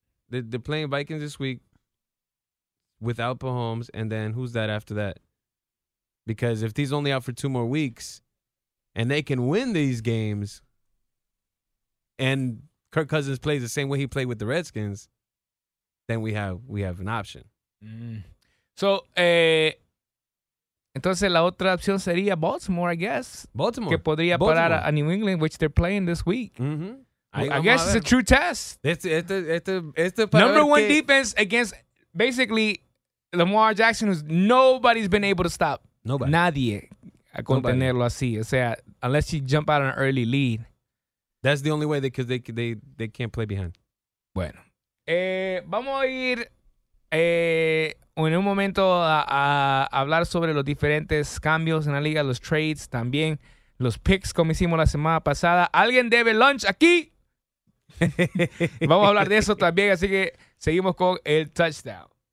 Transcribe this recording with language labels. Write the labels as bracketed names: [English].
[English] They're playing Vikings this week without Mahomes, and then who's that after that? Because if he's only out for 2 more weeks and they can win these games and Kirk Cousins plays the same way he played with the Redskins, then we have an option. Mm. [Spanish] So, entonces la otra opción sería Baltimore, [English] I guess. [Spanish] Baltimore. Que podría parar a New England, [English] which they're playing this week. Mm-hmm. I guess it's a true test. Number one defense against basically Lamar Jackson, who nobody's been able to stop. Nobody. [Spanish] Nadie. A contenerlo así. [English] O sea, unless you jump out on an early lead. That's the only way, because they can't play behind. [Spanish] Bueno. Vamos a ir en un momento a hablar sobre los diferentes cambios en la liga, los trades, también los picks, como hicimos la semana pasada. ¿Alguien debe lunch aquí? Vamos a hablar de eso también, así que seguimos con el touchdown.